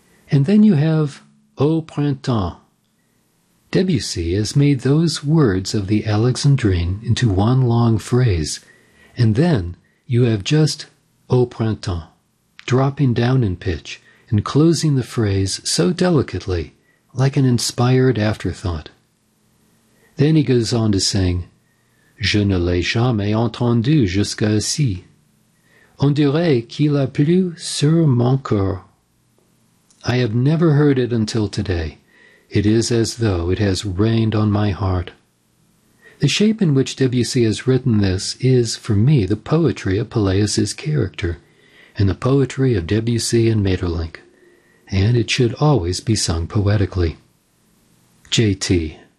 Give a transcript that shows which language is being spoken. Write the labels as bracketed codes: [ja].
[en] And then you have [fr] Au printemps. [en] Debussy has made those words of the alexandrine into one long phrase, and then you have just Au printemps, dropping down in pitch and closing the phrase so delicately, like an inspired afterthought. Then he goes on to sing, [fr] Je ne l'ai jamais entendu jusqu'à ici. On dirait qu'il a plu sur mon cœur. [en] I have never heard it until today. It is as though it has rained on my heart. The shape in which Debussy has written this is, for me, the poetry of Peleas' character and the poetry of Debussy and Maeterlinck, and it should always be sung poetically. J.T.